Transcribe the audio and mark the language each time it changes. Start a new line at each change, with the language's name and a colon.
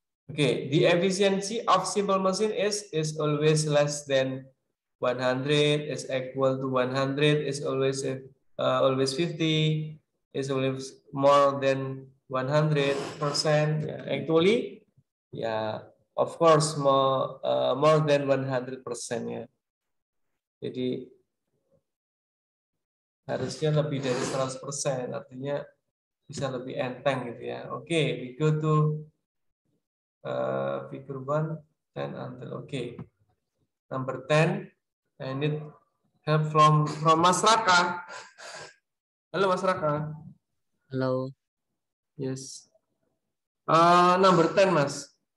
English: Okay, the efficiency of simple machine is always less than 100, is equal to 100, is always always 50, is always more than 100%. Actually, yeah, of course more more than 100% ya.
Indonesian: Jadi harusnya lebih dari 100%, artinya bisa lebih enteng gitu ya.
English: Okay, we go to figure 1 and until okay. Number 10, I need help from Mas Raka. Halo Mas Raka.
Indonesian: Halo.
English: Yes. Number 10, Mas.